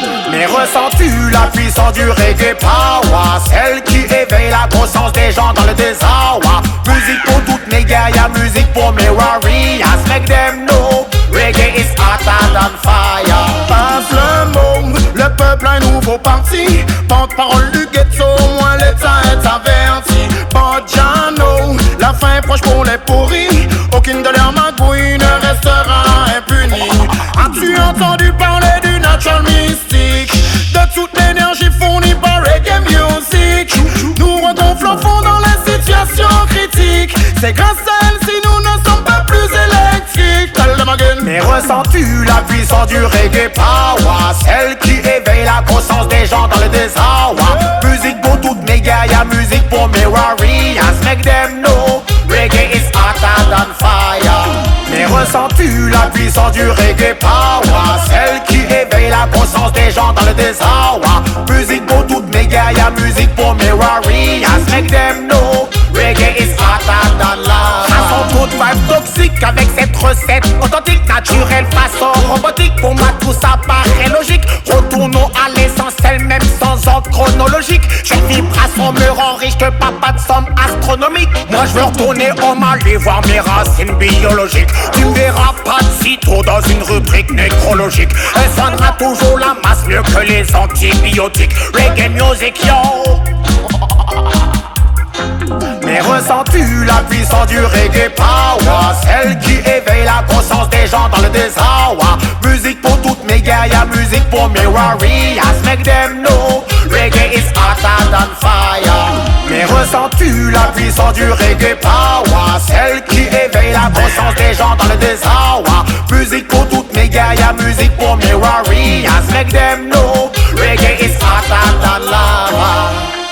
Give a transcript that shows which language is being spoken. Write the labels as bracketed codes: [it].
[fr] J'ai ressenti la puissance du reggae power, celle qui réveille la conscience des gens dans le désarroi. Musique pour toutes mes guerrières, musique pour mes warriors. [en] Make them know, reggae is hotter than fire. [fr] Passe le mot, le peuple a un nouveau parti. Porte-parole du ghetto, moi l'état est averti. Bajano, la fin est proche pour les pourris. Aucune de leurs magouilles ne restera impunie. As-tu entendu parler du natural mystique? De toute l'énergie fournie par reggae music. Nous regonflons fond dans les situations critiques. C'est grâce à elle si nous ne sommes pas plus électriques. Mais ressens-tu la puissance du reggae power? Celle qui éveille la conscience des gens dans le désarroi. Musique pour toutes mes guerrières, musique pour mes warriors. [en] Make them know, reggae is hotter than fire. [fr] Mais ressens-tu la puissance du reggae power? Celle qui éveille la conscience des gens dans le désarroi. Musique pour toutes mes guerrières, musique pour mes warriors. [en] Make them know, reggae is hotter than love. [fr] À son tour de vibe toxique avec cette recette authentique, naturelle, façon robotique. Pour moi tout ça paraît logique. Retournons à l'essentiel même sans ordre chronologique. Je vibre à son mur en riche de papa de somme astronomique. Moi je veux retourner au Mali voir mes racines biologiques. Tu me verras pas de sitôt dans une rubrique nécrologique. Elle soignera toujours la masse mieux que les antibiotiques. [en] Reggae music, yo. [fr] Mais ressens-tu la puissance du reggae power? Celle qui éveille la conscience des gens dans le désarroi. Musique pour toutes mes guerrières, musique pour mes warriors. [en] Make them know, reggae is hotter than fire. [fr] Mais ressens-tu la puissance du reggae power? Celle qui éveille la conscience des gens dans le désarroi. Musique pour toutes mes guerrières, musique pour mes warriors. [en] Make them know, reggae is hotter than lava.